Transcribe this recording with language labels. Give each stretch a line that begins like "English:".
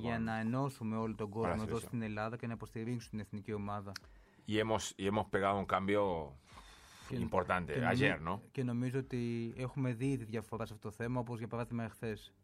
Greek: Για να ενώσουμε όλο τον κόσμο εδώ στην Ελλάδα και να υποστηρίξουμε την εθνική ομάδα.
Spanish: Y hemos pegado un cambio importante ayer, ¿no?
Greek: Και νομίζω ότι έχουμε δει τη διαφορά σε αυτό το θέμα, όπως για παράδειγμα χθες.